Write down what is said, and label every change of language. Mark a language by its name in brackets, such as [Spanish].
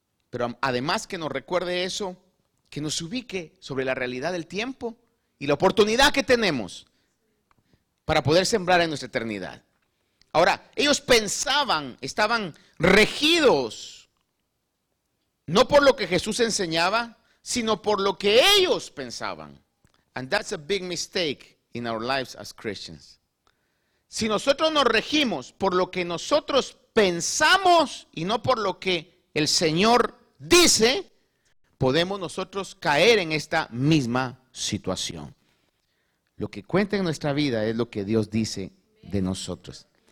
[Spanish] Pero además que nos recuerde eso, que nos ubique sobre la realidad del tiempo y la oportunidad que tenemos para poder sembrar en nuestra eternidad. Ahora, ellos pensaban, estaban regidos, no por lo que Jesús enseñaba, sino por lo que ellos pensaban. [English] And that's a big mistake in our lives as Christians. [Spanish] Si nosotros nos regimos por lo que nosotros pensamos y no por lo que el Señor dice, podemos nosotros caer en esta misma situación. Lo que cuenta en nuestra vida es lo que Dios dice de nosotros.